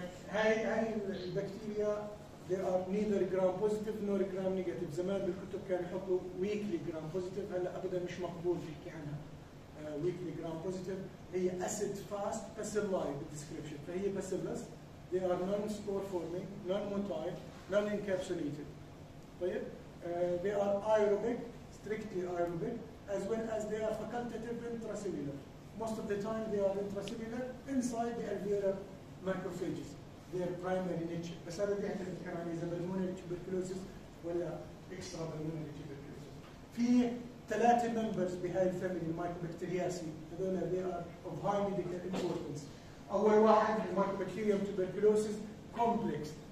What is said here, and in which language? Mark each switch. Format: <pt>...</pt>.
<ar>هاي البكتيريا</ar> <en>they are neither gram positive nor gram negative.</en> <ar>زمان بالكتب كانوا يحطوا weakly gram positive، هلا ابدا مش مقبول تحكي عنها weakly gram positive. هي acid fast bacilli بالدسكربشن، فهي bacillus.</ar> <en>they are non spore forming non motile non encapsulated. طيب they are aerobic strictly aerobic as well as they are facultative intracellular. most of the time they are intracellular inside the alveolar macrophages. their primary niche.</en> <ar>بس هذا بيعتمد كمان اذا بالمونري تيوبركلوزس ولا اكسترا بالمونري تيوبركلوزس. في ثلاثه ممبرز بهاي الفاميلي المايكوبكترياسي، هذول</ar> <en>they are of high medical importance.</en> <ar>اول واحد المايكوبكتيريوم تيوبركلوزس كومبلكس.</ar>